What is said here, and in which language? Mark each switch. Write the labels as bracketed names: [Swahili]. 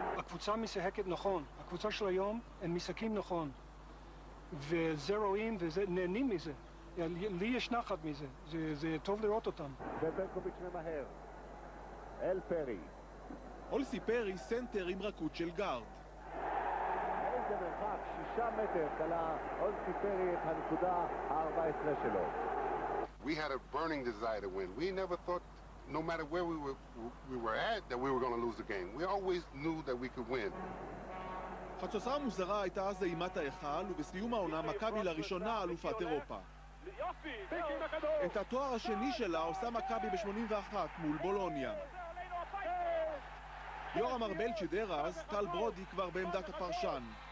[Hebrew] הקבוצה משחקת נכון, הקבוצה של היום הם משחקים נכון, וזה רואים וזה נהנים מזה, לי יש נחת מזה, זה טוב לראות אותם. וברקוביץ' ממהר אל פרי. אולסי פרי סנטר עם רקות של גארד. איזה מרחק, 6 מטר קלה אולסי פרי את הנקודה ה-14 שלו. [English] We had a burning desire to win. We never thought, no matter where we were at, that we were going to lose the game. We always knew that we could win. [Hebrew] התוצאה המוזרה הייתה אז אימת ההיכל, ובסיום העונה מכבי לראשונה אלופת אירופה. את התואר השני שלה עושה מכבי ב-81 מול בולוניה. יורם ארבל שידר אז, טל ברודי כבר בעמדת הפרשן.